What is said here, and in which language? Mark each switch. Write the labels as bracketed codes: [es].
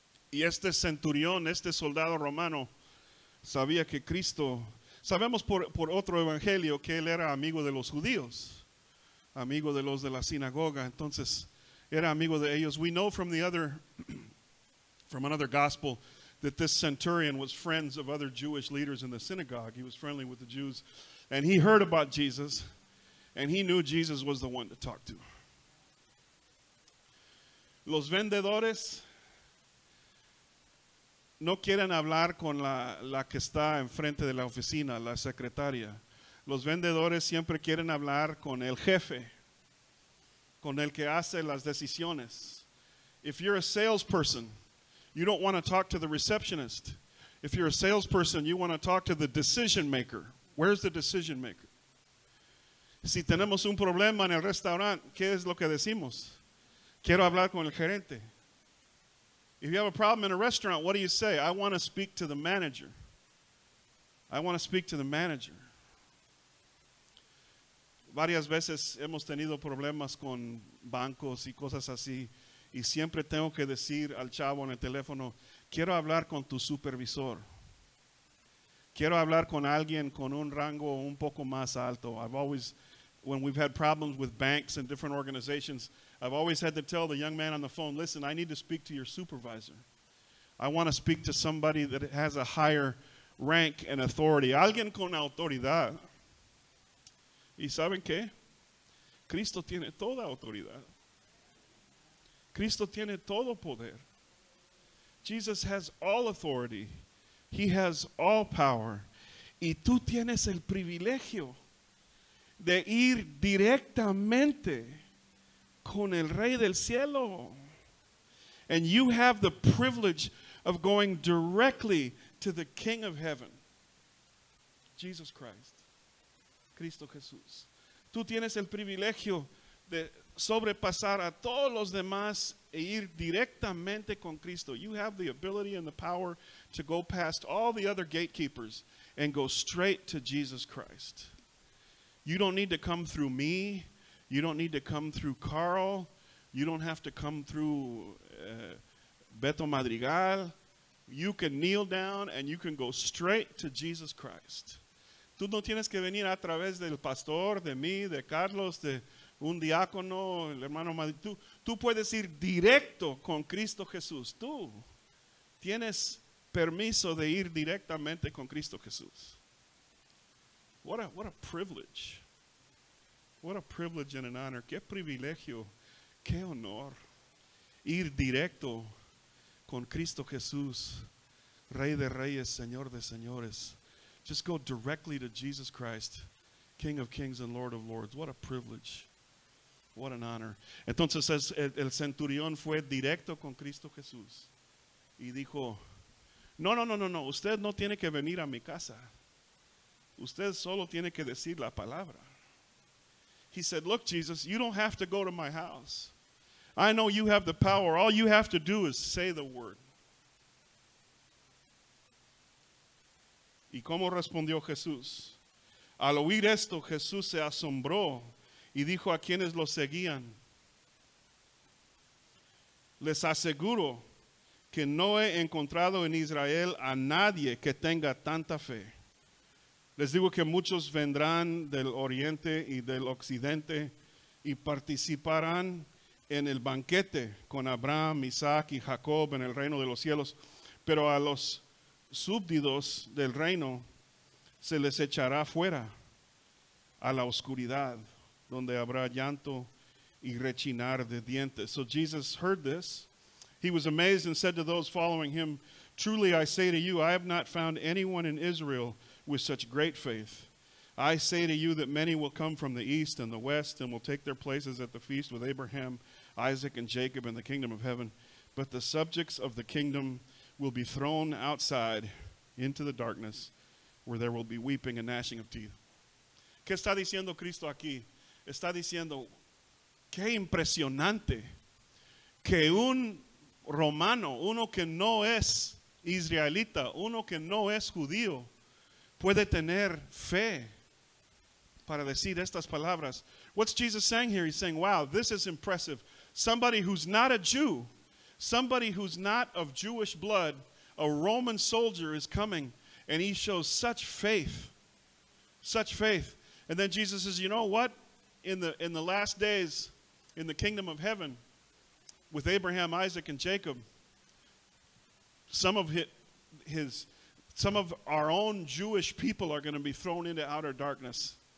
[es] Y este centurión, este soldado romano, sabía que Cristo... Sabemos por otro evangelio que él era amigo de los judíos, amigo de los de la sinagoga. Entonces, era amigo de ellos. [en] We know from the other, from another gospel, that this centurion was friends of other Jewish leaders in the synagogue. He was friendly with the Jews. And he heard about Jesus, and he knew Jesus was the one to talk to. [es] Los vendedores no quieren hablar con la que está enfrente de la oficina, la secretaria. Los vendedores siempre quieren hablar con el jefe, con el que hace las decisiones. [en] If you're a salesperson, you don't want to talk to the receptionist. If you're a salesperson, you want to talk to the decision maker. Where's the decision maker? [es] Si tenemos un problema en el restaurante, ¿qué es lo que decimos? Quiero hablar con el gerente. [en] If you have a problem in a restaurant, what do you say? I want to speak to the manager. I want to speak to the manager. [es] Varias veces hemos tenido problemas con bancos y cosas así. Y siempre tengo que decir al chavo en el teléfono, quiero hablar con tu supervisor. Quiero hablar con alguien con un rango un poco más alto. [en] I've always, when we've had problems with banks and different organizations, I've always had to tell the young man on the phone, listen, I need to speak to your supervisor. I want to speak to somebody that has a higher rank and authority. [es] Alguien con autoridad. ¿Y saben qué? Cristo tiene toda autoridad. Cristo tiene todo poder. [en] Jesus has all authority. He has all power. [es] Y tú tienes el privilegio de ir directamente con el Rey del Cielo. [en] And you have the privilege of going directly to the King of Heaven, Jesus Christ, Cristo Jesús. [es] Tú tienes el privilegio de sobrepasar a todos los demás e ir directamente con Cristo. [en] You have the ability and the power to go past all the other gatekeepers and go straight to Jesus Christ. You don't need to come through me. You don't need to come through Carl. You don't have to come through Beto Madrigal. You can kneel down and you can go straight to Jesus Christ. [es] Tú no tienes que venir a través del pastor, de mí, de Carlos, de un diácono, el hermano Madrigal. Tú puedes ir directo con Cristo Jesús. Tú tienes permiso de ir directamente con Cristo Jesús. [en] What a privilege. What a privilege and an honor. [es] Qué privilegio, qué honor. Ir directo con Cristo Jesús, Rey de Reyes, Señor de Señores. [en] Just go directly to Jesus Christ, King of Kings and Lord of Lords. What a privilege. What an honor. [es] Entonces el centurión fue directo con Cristo Jesús y dijo, no. Usted no tiene que venir a mi casa. Usted solo tiene que decir la palabra. [en] He said, look, Jesus, you don't have to go to my house. I know you have the power. All you have to do is say the word. [es] ¿Y cómo respondió Jesús? Al oír esto, Jesús se asombró y dijo a quienes lo seguían, les aseguro que no he encontrado en Israel a nadie que tenga tanta fe. Les digo que muchos vendrán del oriente y del occidente y participarán en el banquete con Abraham, Isaac y Jacob en el reino de los cielos. Pero a los súbditos del reino se les echará fuera a la oscuridad, donde habrá llanto y rechinar de dientes. [en] So Jesus heard this. He was amazed and said to those following him, truly I say to you, I have not found anyone in Israel with such great faith. I say to you that many will come from the east and the west and will take their places at the feast with Abraham, Isaac, and Jacob in the kingdom of heaven. But the subjects of the kingdom will be thrown outside into the darkness where there will be weeping and gnashing of teeth. [es] ¿Qué está diciendo Cristo aquí? Está diciendo, qué impresionante que un romano, uno que no es israelita, uno que no es judío, puede tener fe para decir estas palabras. [en] What's Jesus saying here? He's saying, wow, this is impressive. Somebody who's not a Jew, somebody who's not of Jewish blood, a Roman soldier is coming and he shows such faith, such faith. And then Jesus says, you know what? In the last days, in the kingdom of heaven, with Abraham, Isaac, and Jacob, some of our own Jewish people are going to be thrown into outer darkness.